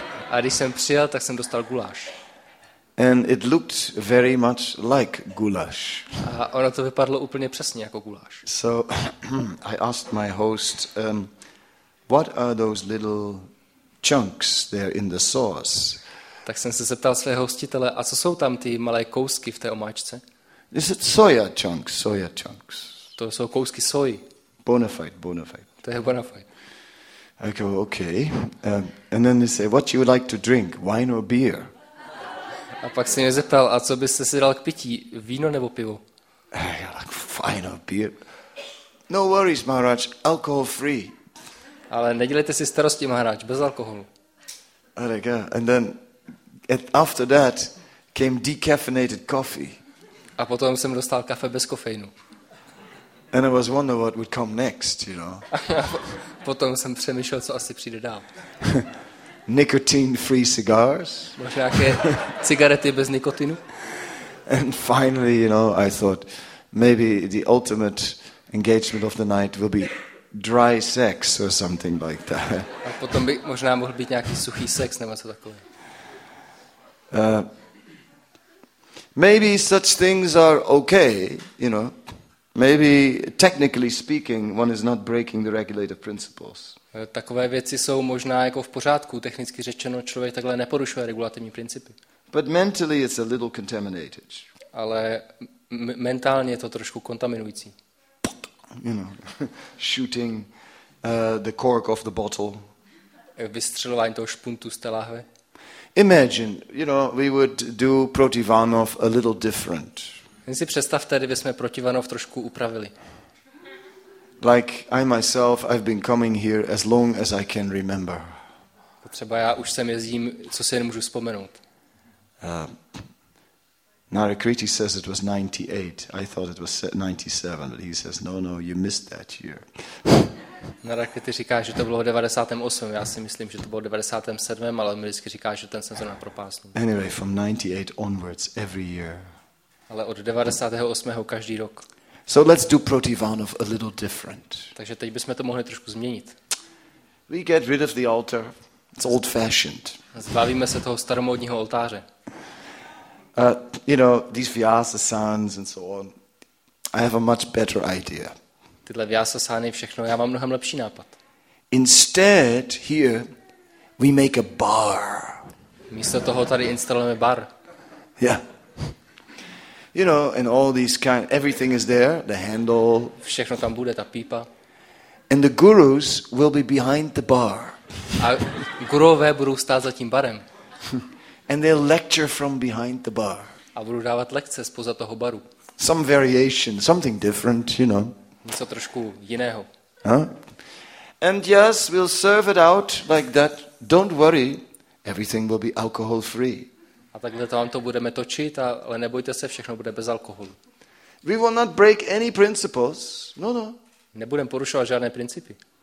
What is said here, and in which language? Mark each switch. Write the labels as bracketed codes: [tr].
[cs] A když jsem přijel, tak jsem dostal guláš. [en] And it looked very much like goulash. [cs] A ono to vypadlo úplně přesně jako guláš. [en] So I asked my host, what are those little chunks there in the sauce? [cs] Tak jsem se zeptal svého hostitele, a co jsou tam ty malé kousky v té omáčce? [en] Is it soya chunks, soya chunks? [cs] To jsou kousky soji. [en] Bonafide. [cs] To je bonafide. [en] I go, okay. And then they say, what you would like to drink, wine or beer? [cs] A pak jsem se zeptal, a co byste si dal k pití, víno nebo pivo? [en] Like, wine or beer. No worries, Maharaj, alcohol free. [cs] Ale nedělejte si starosti, Maharaj, bez alkoholu. [en] And then after that came decaffeinated coffee. [cs] A potom jsem dostal kafe bez kofeinu. [en] And I was wondering what would come next, you know. [cs] Potom jsem přemýšlel, co asi přijde dál. [en] Nicotine free cigars. [cs] Možná nějaké cigarety bez nikotinu. [en] And finally, you know, I thought maybe the ultimate engagement of the night will be dry sex or something like that. [cs] A potom by možná mohl být nějaký suchý sex nebo něco takového. [en] Maybe such things are okay, you know. Maybe technically speaking, one is not breaking the regulative principles. [cs] Takové věci jsou možná jako v pořádku, technicky řečeno, člověk takhle neporušuje regulativní principy. [en] But mentally it's a little contaminated. [cs] Ale mentálně je to trošku kontaminující. [en] You know, shooting the cork off the bottle. [cs] Vystřelování toho špuntu z té láhve. [en] Imagine, you know, we would do Protivanov a little different. [cs] Jen si představte, kdyby jsme Protivanov trošku upravili. [en] Like I myself, I've been coming here as long as I can remember. [cs] Třeba já už sem jezdím, co si jen můžu vzpomenout. [en] Narakriti says it was 98. I thought it was 97, but he says no, no, you missed that year. [cs] Narakriti říká, že to bylo 98. Já si myslím, že to bylo 97, ale on mi vždycky říká, že ten sezóna propásnul. [en] Anyway, from 98 onwards every year. [cs] Ale od 98. každý rok. [en] So let's do Protivanov a little different. [cs] Takže teď bychom to mohli trošku změnit. [en] We get rid of the altar. It's old fashioned. [cs] Zbavíme se toho staromódního oltáře. [en] You know, these Vyasasans and so on. I have a much better idea. [cs] Tyhle Vyasasány všechno, já mám mnohem lepší nápad. [en] Instead, here we make a bar. [cs] Místo toho tady instalujeme bar. [en] Yeah. You know, and all these kind, everything is there, the handle. [cs] Všechno tam bude, ta pípa. [en] And the gurus will be behind the bar. [cs] A gurové budou stát za tím barem. [en] And they'll lecture from behind the bar. [cs] A budou dávat lekce spoza toho baru. [en] Some variation, something different, you know. [cs] Něco trošku jiného. Huh? [en] And yes, we'll serve it out like that. Don't worry, everything will be alcohol free. [cs] A takhle tam to budeme točit, ale nebojte se, všechno bude bez alkoholu. [en] We will not break any principles. No, no. [cs] Nebudeme porušovat žádné principy.